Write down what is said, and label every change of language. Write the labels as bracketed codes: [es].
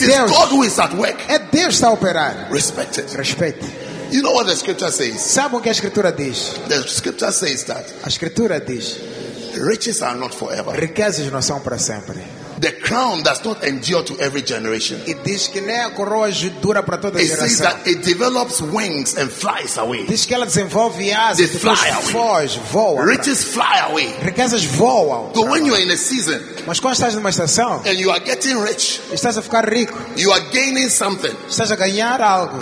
[pt] de Deus. [en] It is God who is at work. [pt] É Deus que está a operar. [en] Respect it. [pt] Respeite. [en] You know what the scripture says? [pt] Sabe o que a escritura diz? [en] The scripture says that. [pt] A escritura diz. [en] Riches are not forever. [pt] Riquezas não são para sempre. [en] The crown does not endure to every generation. [pt] E diz que nem a coroa dura para toda a geração. [en] It says that it develops wings and flies away. [pt] Diz que ela desenvolve asas. [en] They fly away. [pt] Foge, voa. [en] Riches fly away. [pt] Riquezas voam. [en] So when you are in a season. [pt] Mas quando estás numa estação. [en] And you are getting rich. [pt] Estás a ficar rico. [en] You are gaining something. [pt] Estás a ganhar algo.